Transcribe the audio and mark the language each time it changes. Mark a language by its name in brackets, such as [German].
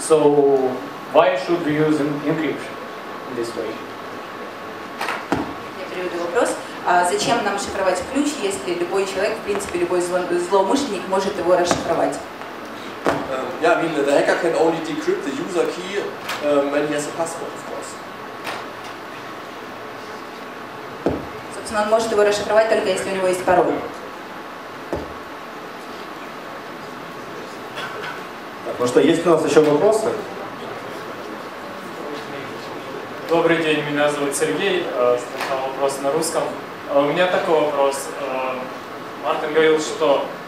[English] So why should we use encryption in this way? [Russian] Я переведу вопрос. Зачем нам шифровать ключ, если любой человек, в принципе, любой злоумышленник может его расшифровать? [English] Yeah, I mean the hacker can only decrypt the user key when he has a password, of course. [Russian] Собственно, он может его расшифровать только если у него есть пароль. Так, ну что, есть у нас еще вопросы? Добрый день, меня зовут Сергей. Сначала вопрос на русском. У меня такой вопрос. Мартин говорил, что